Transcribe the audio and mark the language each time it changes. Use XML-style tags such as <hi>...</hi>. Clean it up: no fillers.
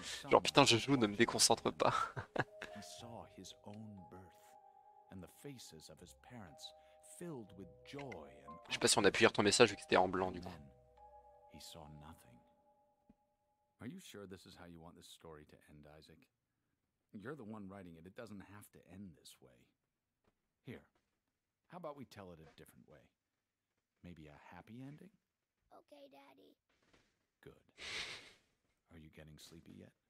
<fr>Genre, putain, je joue, ne me déconcentre pas.</fr> <en>He saw his own birth, and the faces of his parents filled with joy.</en> <fr>Je sais pas si on a pu lire ton message vu que c'était en blanc, du coup.</fr> <en>He saw nothing. Are you sure this is how you want this story to end, Isaac? You're the one writing it. It doesn't have to end this way. Here, how about we tell it a different way? Maybe a happy ending? Okay, Daddy. Good. Are you getting sleepy yet?</en>